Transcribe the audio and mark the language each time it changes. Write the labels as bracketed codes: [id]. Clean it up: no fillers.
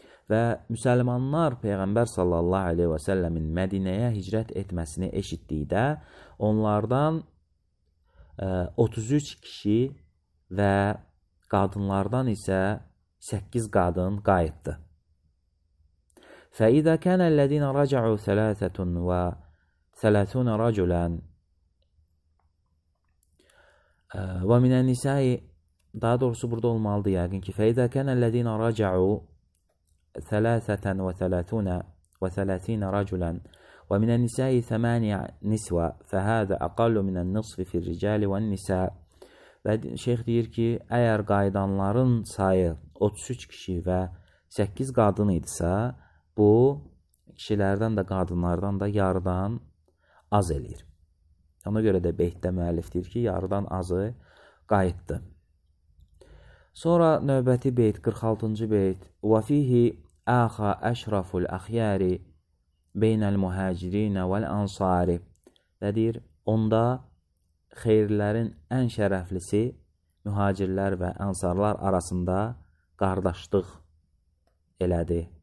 [az] və müsəlmanlar Peyğəmbər sallallahu aleyhi və səlləmin Mədinəyə hicrət etməsini eşitdikdə onlardan 33 kişi və qadınlardan isə 8 qadın qayıtdı. [ar] فَإِذَا كَانَ الَّذِينَ رَجَعُوا ثَلَاثَةٌ وَثَلَاثُونَ رَجُلًا وَمِنَ النِّسَاءِ [az] daha doğrusu burada olmalıdır yəqin ki [ar] فَإِذَا كَانَ الَّذِينَ رَجَعُوا ثَلَاثَةً وَثَلَاثِينَ رَجُلًا وَمِنَ النِّسَاءِ ثَمَانِيَ نِسْوَ فَهَذَا أَقَلُّ مِنَ النِّصْفِ فِي الرِّجَالِ وَالنِّسَاءِ [az] Və şeyx deyir ki, əgər qayıdanların sayı 33 kişi və 8 qadın idisə, bu kişilərdən də qadınlardan da yarıdan az eləyir. Ona görə də beytdə müəllif deyir ki, yarıdan azı qayıtdı. Sonra növbəti beyt, 46-cı beyt. [ar] وَفِيهِ آخَ أَشْرَفُ الْأَخْيَارِ بَيْنَ الْمُهَاجِرِينَ وَالْأَنْصَارِ [az] Və deyir, onda xeyirlərin ən şərəflisi mühacirlər və ənsarlar arasında qardaşlıq elədi.